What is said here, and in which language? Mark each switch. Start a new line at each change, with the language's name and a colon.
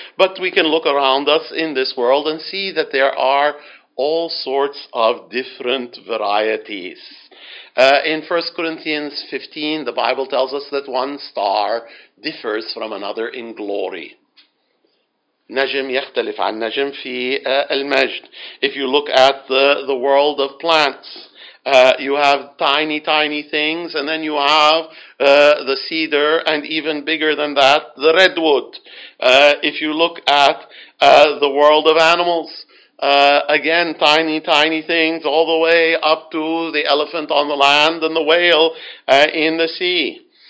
English: But we can look around us in this world and see that there are all sorts of different varieties. In 1 Corinthians 15, the Bible tells us that one star differs from another in glory.
Arabic: نجم يختلف عن نجم في المجد.
English: If you look at the world of plants, you have tiny, tiny things, and then you have the cedar, and even bigger than that, the redwood. If you look at the world of animals, again, tiny, tiny things, all the way up to the elephant on the land and the whale in the sea.